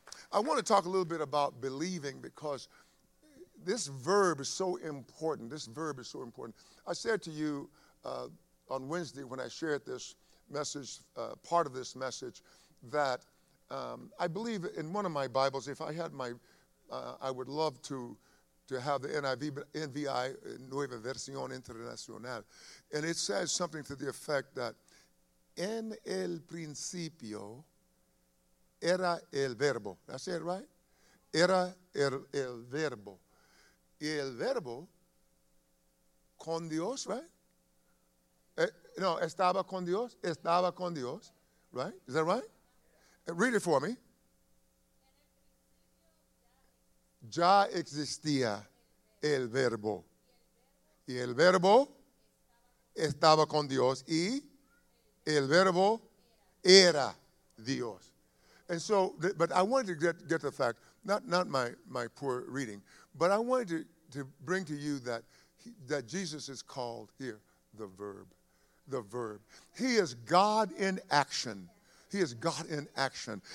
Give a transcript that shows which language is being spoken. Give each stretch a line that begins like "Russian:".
English: I want to talk a little bit about believing, because this verb is so important. This verb is so important. I said to you on Wednesday when I shared this message, part of this message, that I believe in one of my Bibles, if I had my, I would love to to have the NIV, NVI, Nueva Versión Internacional. And it says something to the effect that
Spanish: en el principio era el verbo.
English: Did I say it right?
Spanish: Era el verbo. Y el verbo con Dios,
English: right?
Spanish: No, estaba con Dios. Estaba con Dios,
English: right? Is that right? Read it for me.
Spanish: Ya existía el verbo. Y el verbo estaba con Dios. Y el verbo era Dios.
English: And so, but I wanted to get the fact, not my poor reading, but I wanted to bring to you that that Jesus is called here the verb. The verb. He is God in action. He is God in action.